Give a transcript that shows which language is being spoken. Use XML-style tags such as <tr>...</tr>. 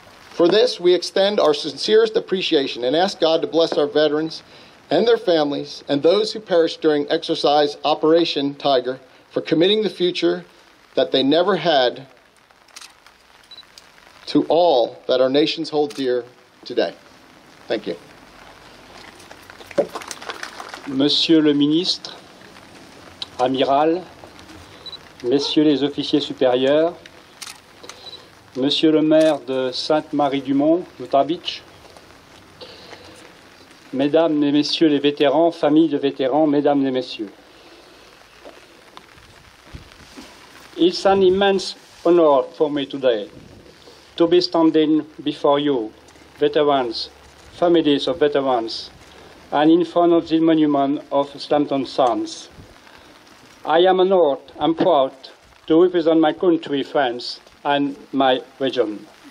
<en>For this, we extend our sincerest appreciation and ask God to bless our veterans and their families and those who perished during Exercise Operation Tiger for committing the future that they never had to all that our nations hold dear today. Thank you.</en> <fr>Monsieur le ministre, amiral, messieurs les officiers supérieurs, monsieur le maire de Sainte-Marie-du-Mont, Utah Beach, mesdames et messieurs les vétérans, familles de vétérans, mesdames et messieurs.</fr> <en>It's an immense honor for me today to be standing before you, veterans, families of veterans, and in front of the monument of Slapton Sands. I am honored and proud to represent my country, France, and my region.</en>